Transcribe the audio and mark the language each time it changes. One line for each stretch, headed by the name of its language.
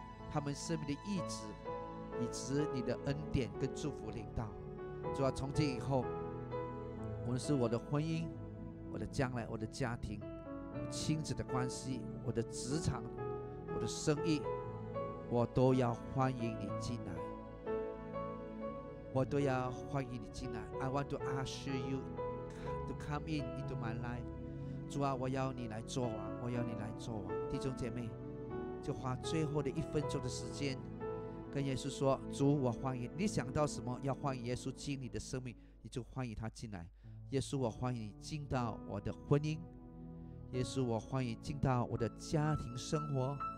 Chinese: 他们生命的意志以及你的恩典跟祝福领导。主啊，从今以后，无论是我的婚姻、我的将来、我的家庭、亲子的关系、我的职场、我的生意，我都要欢迎你进来。我都要欢迎你进来。
English: I want to ask you to come in into my life.
Chinese: 主啊，我要你来做王，我要你来做王。弟兄姐妹，就花最后的一分钟的时间跟耶稣说，主，我欢迎你。想到什么要欢迎耶稣进你的生命，你就欢迎他进来。耶稣，我欢迎你进到我的婚姻。耶稣，我欢迎你进到我的家庭生活。